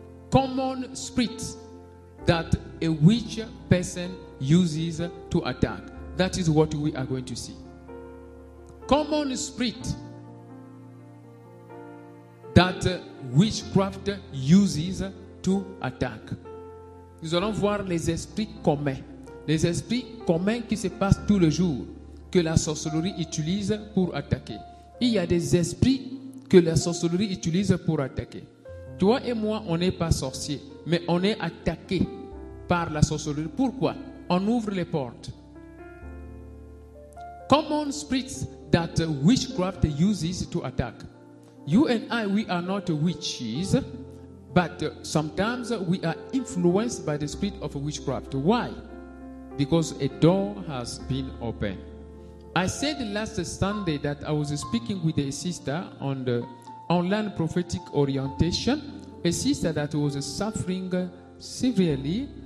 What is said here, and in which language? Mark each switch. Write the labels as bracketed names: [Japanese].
[English] Common spirit that a witch person uses to attack. That is what we are going to see. Common spirit that witchcraft uses to attack. [French] Nous allons voir les esprits communs. Les esprits communs qui se passent tout le jour, que la sorcellerie utilise pour attaquer. Il y a des esprits que la sorcellerie utilise pour attaquer. Toi et moi, on n'est pas sorciers, mais on est attaqué par la sorcellerie. Pourquoi? On ouvre les portes. [English] Common spirits that witchcraft uses to attack. You and I, we are not witches, but sometimes we are influenced by the spirit of witchcraft. Why? Because a door has been opened. I said last Sunday that I was speaking with a sister on the online prophetic orientation, a sister that was suffering severely.